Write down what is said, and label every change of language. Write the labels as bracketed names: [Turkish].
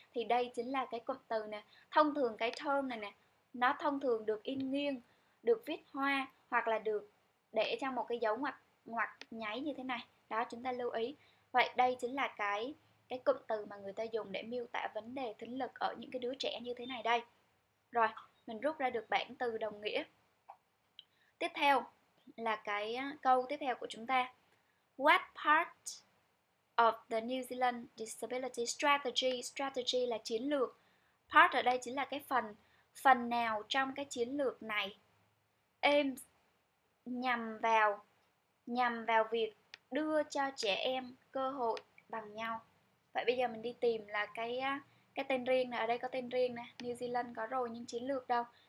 [Vietnamese] Thì đây chính là cái cụm từ nè. Thông thường cái term này nè, nó thông thường được in nghiêng, được viết hoa, hoặc là được để trong một cái dấu ngoặc ngoặc nháy như thế này. Đó, chúng ta lưu ý. Vậy đây chính là cái cụm từ mà người ta dùng để miêu tả vấn đề thính lực ở những cái đứa trẻ như thế này đây. Rồi, mình rút ra được bảng từ đồng nghĩa. Tiếp theo là cái câu tiếp theo của chúng ta. [English] What part of the New Zealand Disability Strategy? [Vietnamese] Strategy là chiến lược. Part ở đây chính là cái phần, phần nào trong cái chiến lược này aims nhằm vào việc đưa cho trẻ em cơ hội bằng nhau. Vậy bây giờ mình đi tìm là cái tên riêng nè. Ở đây có tên riêng nè, New Zealand có rồi, nhưng chiến lược đâu?